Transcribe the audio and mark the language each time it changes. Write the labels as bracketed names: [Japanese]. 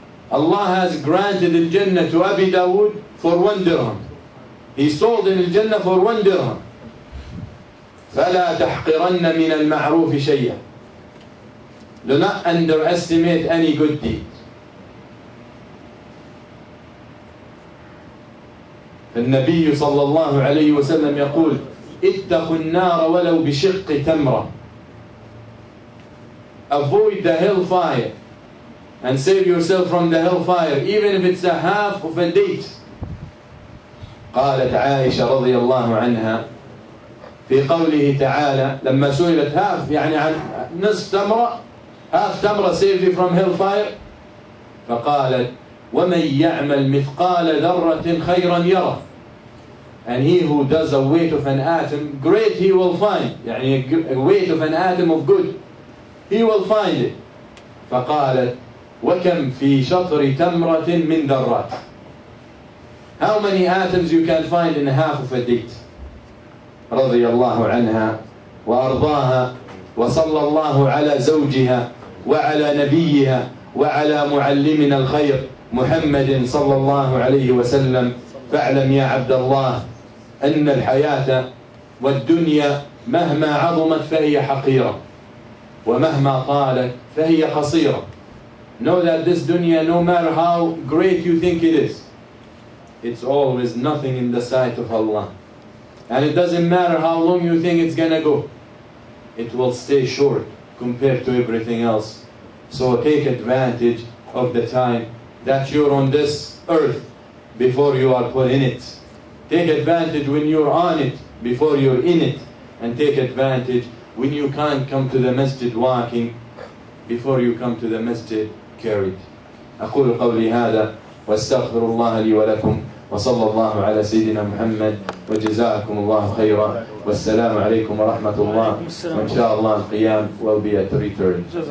[English] Allah has granted al-Jannah to Abi Dawood for 1 dirham. He sold in al-Jannah for 1 dirham. [Arabic] فَلَا تَحْقِرَنَّ مِنَ الْمَعْرُوفِ شَيَّةً. [English] Do not underestimate any good deed. [Arabic] فالنبي صلى الله عليه وسلم يقول اتَّقُوا النَّارَ وَلَوْ بِشِقِّ تَمْرًا. [English] Avoid the hellfire and save yourself from the hellfire, even if it's a half of a date. [Arabic] قالت عائشة رضي الله عنها في قوله تعالى لما سئلت [English] half [Arabic] يعني عن نصف تمرة [English] half [Arabic] تمرة [English] save you from hellfire. [Arabic] فقالت ومن يعمل مثقال ذرة خيرا يره. [English] And he who does a weight of an atom, great he will find. [Arabic] يعني [English] a weight of an atom of good. He will find it. [Arabic] فقالت وَكَمْ فِي شَطْرِ تَمْرَةٍ مِنْ دَرَّاتٍ. [English] How many atoms you can find in half of a date. [Arabic] رضي الله عنها وأرضاها وصلى الله على زوجها وعلى نبيها وعلى معلمنا الخير محمد صلى الله عليه وسلم. فاعلم يا عبد الله أن الحياة والدنيا مهما عظمت فهي حقيرة ومهما طالت فهي قصيرة. [English] Know that this dunya, no matter how great you think it is, it's always nothing in the sight of Allah. And it doesn't matter how long you think it's gonna go. It will stay short compared to everything else. So take advantage of the time that you're on this earth before you are put in it. Take advantage when you're on it before you're in it. And take advantage when you can't come to the masjid walking before you come to the masjid carried. [Arabic] أقول قولي هذا واستغفر الله لي ولكم وصلى الله على سيدنا محمد وجزاكم الله خيرا والسلام عليكم ورحمة الله وإن شاء الله القيام [English] will be at return.